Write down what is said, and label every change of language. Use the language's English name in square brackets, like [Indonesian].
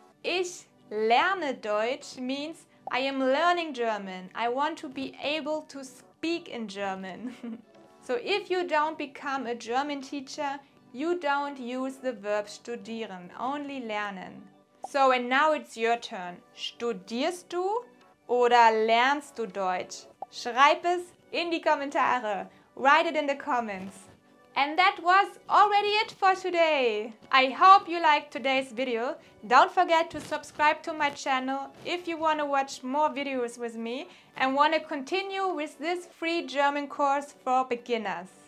[German] Ich lerne Deutsch [English] means I am learning German. I want to be able to speak in German. So if you don't become a German teacher, you don't use the verb studieren, only lernen. So and now it's your turn. [German] Studierst du oder lernst du Deutsch? Schreib es in die Kommentare. [English] Write it in the comments. And that was already it for today. I hope you liked today's video. Don't forget to subscribe to my channel if you want to watch more videos with me and want to continue with this free German course for beginners.